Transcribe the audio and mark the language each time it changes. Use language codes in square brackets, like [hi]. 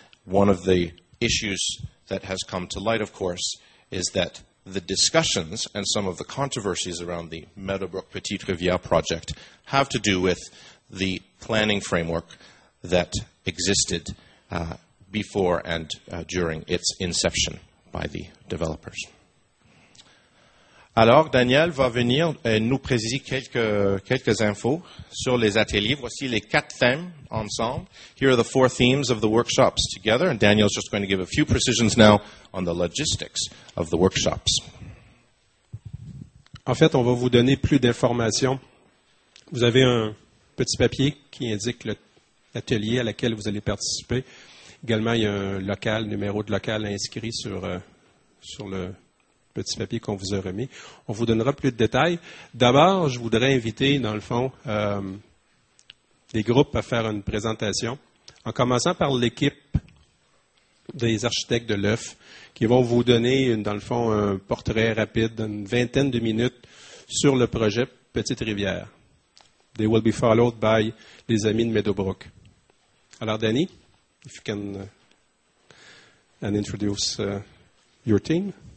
[en] One of the issues that has come to light, of course, is that the discussions and some of the controversies around the Meadowbrook Petite Rivière project have to do with the planning framework that existed before and during its inception by the developers. [fr] Alors, Daniel va venir et nous préciser quelques infos sur les ateliers. Voici les quatre thèmes ensemble. [en] Here are the four themes of the workshops together, and Daniel's just going to give a few precisions now on the logistics of the workshops. [fr] En fait, on va vous donner plus d'informations. Vous avez un petit papier qui indique l'atelier à laquelle vous allez participer. Également, il y a un local, numéro de local inscrit sur le petit papier qu'on vous a remis. On vous donnera plus de détails. D'abord, je voudrais inviter, dans le fond, des groupes à faire une présentation, en commençant par l'équipe des architectes de l'œuf, qui vont vous donner, dans le fond, un portrait rapide d'une vingtaine de minutes sur le projet Petite Rivière. [en] They will be followed by les amis de Meadowbrook. Alors, Danny, if you can and introduce your team.